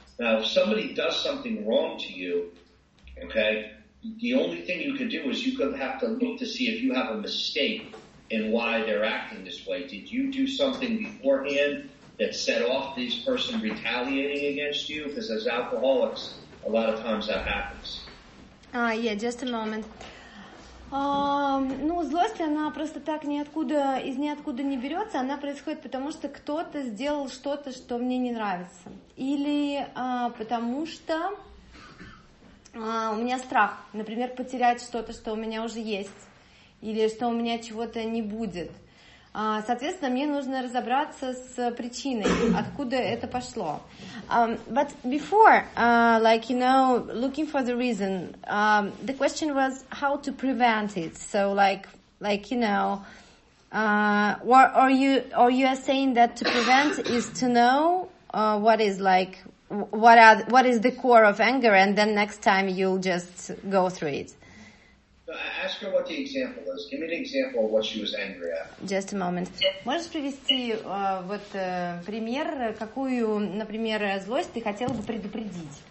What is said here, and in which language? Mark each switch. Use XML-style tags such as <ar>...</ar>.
<en>Now, if somebody does something wrong to you, okay, the only thing you could do is you could have to look to see if you have a mistake in why they're acting this way. Did you do something beforehand that set off this person retaliating against you? Because as alcoholics, a lot of times that happens. Yeah, just a moment.</en> <ru>Ну, злость, она просто так ниоткуда, из ниоткуда не берется, она происходит потому, что кто-то сделал что-то, что мне не нравится. Или потому что у меня страх, например, потерять что-то, что у меня уже есть, или что у меня чего-то не будет. Соответственно, мне нужно разобраться с причиной, откуда это пошло.</ru> <en>But before, like, you know, looking for the reason, the question was how to prevent it. So, like you know, what are you saying that to prevent is to know what is like, what is the core of anger, and then next time you'll just go through it. Ask her what the example is. Give me an example of what she was angry at. Just a moment.</en> <ru>Можешь привести вот пример, какую, например, злость ты хотел бы предупредить?</ru>